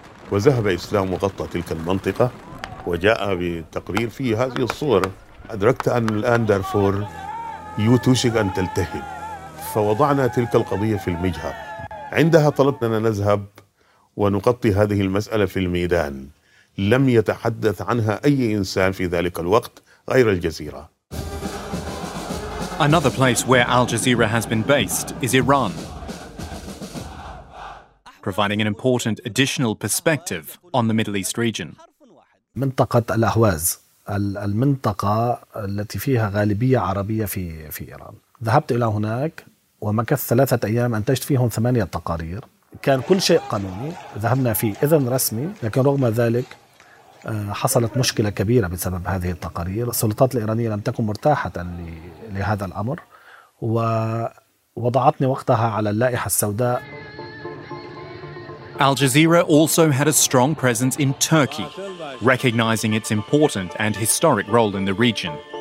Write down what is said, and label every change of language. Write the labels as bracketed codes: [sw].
[ar] وذهب إسلام وغطى تلك المنطقة وجاء بتقرير في هذه الصور أدركت أن الآن دارفور يوتوشك أن تلتهب فوضعنا تلك القضية في المجهر عندها طلبنا أن نذهب ونغطي هذه المسألة في الميدان لم يتحدث عنها أي إنسان في ذلك الوقت غير الجزيرة. [en] Another place where Al Jazeera has been based is Iran, providing an important additional perspective on the Middle East region. [ar] منطقة الأهواز، المنطقة التي فيها غالبية عربية في إيران. ذهبت إلى هناك ومكث ثلاثة أيام أنتجت فيهم ثمانية تقارير. كان كل شيء قانوني. ذهبنا في إذن رسمي، لكن رغم ذلك حصلت مشكلة كبيرة بسبب هذه التقارير. السلطات الإيرانية لم تكن مرتاحة لهذا الأمر ووضعتني وقتها على اللائحة السوداء. [en] Al Jazeera also had a strong presence in Turkey, recognizing its important and historic role in the region.